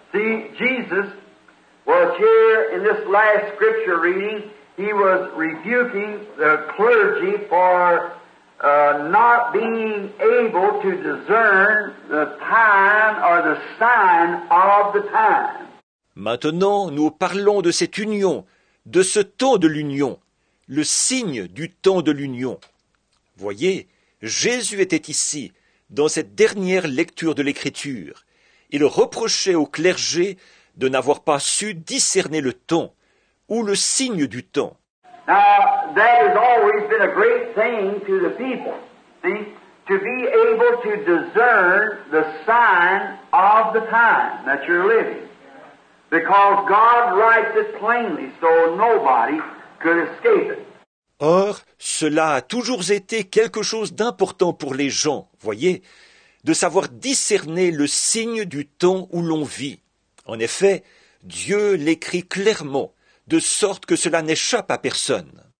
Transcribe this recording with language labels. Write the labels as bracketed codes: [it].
[en] See, Jesus was here in this last scripture reading, he was rebuking the clergy for not being able to discern the time or the sign of the time. [fr] Maintenant, nous parlons de cette union, de ce temps de l'union, le signe du temps de l'union. Voyez, Jésus était ici, dans cette dernière lecture de l'Écriture. Il reprochait au clergé de n'avoir pas su discerner le temps, ou le signe du temps. [en] Now, that has always been a great thing to the people, see, to be able to discern the sign of the time that you're living. Because God writes it plainly, so nobody could escape it. [fr] Or, cela a toujours été quelque chose d'important pour les gens, voyez, de savoir discerner le signe du temps où l'on vit. En effet, Dieu l'écrit clairement, de sorte que cela n'échappe à personne.